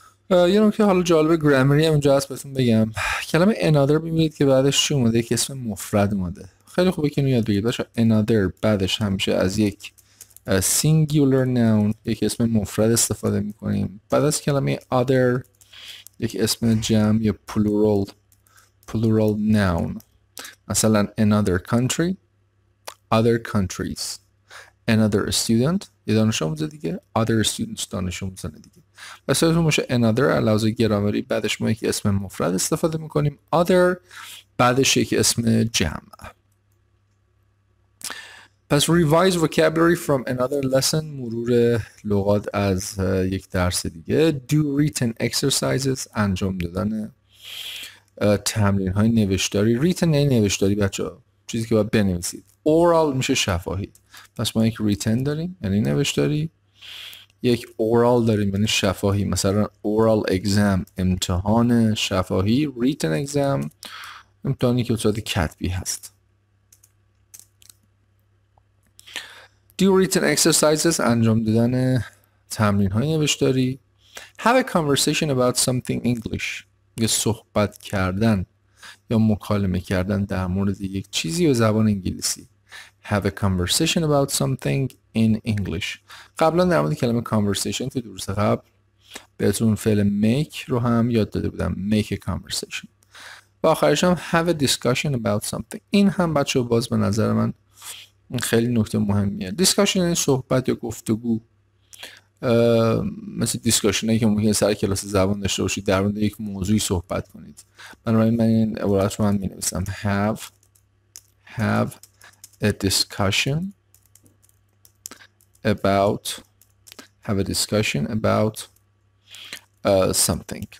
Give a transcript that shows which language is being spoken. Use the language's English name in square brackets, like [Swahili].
[Persian] یه نکته حالا جالب گرامری هم اینجا هست بهتون بگم. کلمه another ببینید که بعدش چی اومده، یک اسم مفرد اومده. خیلی خوبه که اینو یاد بگیرید بچه‌ها. Another بعدش همیشه از یک singular noun یک اسم مفرد استفاده میکنیم. بعد از کلمه other یک اسم جمع یا plural noun. [English] مثلا another country other countries. Another student [Persian] یه دانش آموز دیگه. [English] Other students [Persian] دانش آموزان دیگه. بس از اون باشه another علاوه بر گرامری بعدش ما یک اسم مفرد استفاده میکنیم. Other بعدش یک اسم جمع. پس [English] revise vocabulary from another lesson [Persian] مرور لغات از یک درس دیگه. [English] Do written exercises [Persian] انجام دادن تمرین های نوشتاری. Written نه نوشتاری بچه ها، چیزی که باید بنویسید. Oral میشه شفاهی. پس ما یک written داریم یعنی نوشتاری، یک oral داریم یعنی شفاهی. مثلا [English] oral exam [Persian] امتحان شفاهی، [English] written exam [Persian] امتحانی که به صورت کتبی هست. [English] Do written exercises, [Persian] انجام دادن تمرین های نوشتاری. [English] Have a conversation about something English. [Persian] یا صحبت کردن یا مکالمه کردن در مورد یک چیزی به زبان انگلیسی. [English] Have a conversation about something in English. [Persian] قبلا در مورد کلمه conversation تو درس قبل بهتون فعل make رو هم یاد داده بودم. [English] Make a conversation. [Persian] و آخرش هم [English] have a discussion about something. [Persian] این هم بچه باز به نظر من خیلی نکته مهمیه. Discussion یعنی صحبت یا گفتگو. مثل دیسکاشن هایی که ممکنه سر کلاس زبان داشته باشید در مورد یک موضوعی صحبت کنید. بنابراین من این عبارت رو هم می نویسم have a discussion about something.